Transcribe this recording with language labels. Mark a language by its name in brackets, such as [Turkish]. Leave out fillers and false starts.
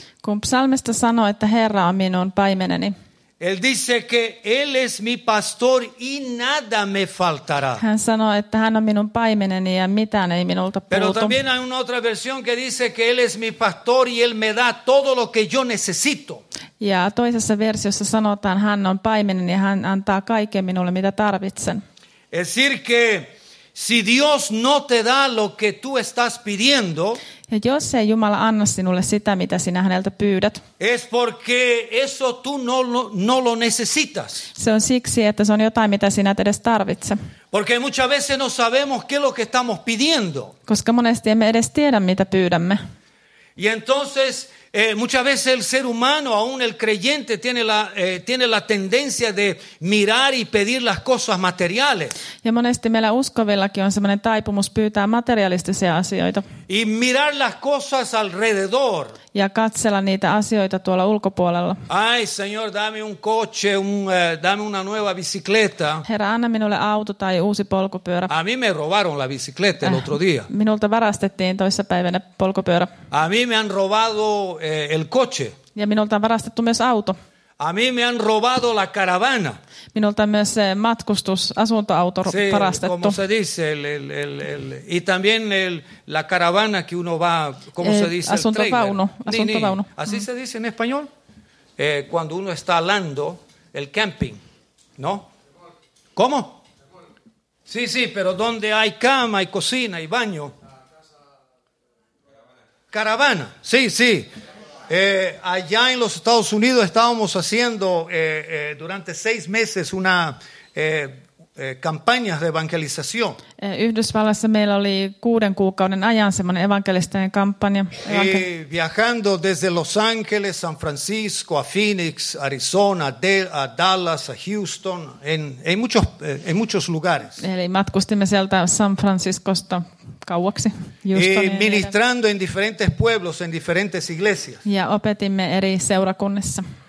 [Finnish] kun psalmista sanoo, että Herra on minun paimeneni, [Spanish] él dice que él es mi pastor y nada me faltará. [Finnish] Hän sanoo, että hän on minun paimeneni ja mitään ei minulta puutu. [Spanish] Pero también hay una otra versión que dice que él es mi pastor y él me da todo lo que yo necesito. [Finnish] Ja toisessa versiossa sanotaan, hän on paimeneni ja hän antaa kaiken minulle, mitä tarvitsen. [Spanish] Es decir que si Dios no te da lo que tú estás pidiendo, [Finnish] ja jos ei Jumala anna sinulle sitä, mitä sinä häneltä pyydät, [Spanish] es porque eso tú no lo necesitas. [Finnish] Se on siksi, että se on jotain, mitä sinä et edes tarvitse. [Spanish] Porque muchas veces no sabemos qué es lo que estamos pidiendo. [Finnish] Koska monesti emme edes tiedä, mitä pyydämme. [Spanish] Y entonces, muchas veces el ser humano, aún el creyente, tiene la tendencia de mirar y pedir las cosas materiales. [Finnish] Ja monesti meillä uskovillakin on semmoinen taipumus pyytää materialistisia asioita. [Spanish] Y mirar las cosas alrededor. [Finnish] Ja katsella niitä asioita tuolla ulkopuolella. [Spanish] Ay, Señor, dame un coche, dame una nueva bicicleta. [Finnish] Herra, anna minulle auto tai uusi polkupyörä. [Spanish] A mí me robaron la bicicleta el otro día. [Finnish] Minulta varastettiin toissa päivänä polkupyörä. [Spanish] A mí me han robado el coche. [Finnish] Ja minulta on varastettu myös auto. [Spanish] A mí me han robado la caravana. [Finnish] Minulta on myös matkustus, asuntoauto varastettu. [Spanish] Sí, como se dice, el y también la caravana que uno va, como se dice, [Finnish] asuntovaunu. Asuntovaunu. [Spanish] Así se dice en español. Cuando uno está hablando, el camping, ¿no? ¿Cómo? Sí, pero donde hay cama, hay cocina, hay baño. Caravana, sí. Allá en los Estados Unidos estábamos haciendo durante 6 meses una campaña de evangelización. [Finnish] Yhdysvallassa meillä oli 6 kuukauden ajan semmoinen evankelistinen kampanja. [Spanish] Viajando desde Los Ángeles, San Francisco, a Phoenix, Arizona, a Dallas, a Houston, en muchos lugares. [Finnish] Eli matkustimme sieltä San Franciscosta kauaksi, Houstonin. [Spanish] Ministrando en diferentes pueblos, en diferentes iglesias. [Finnish] Ja opetimme eri seurakunnissa.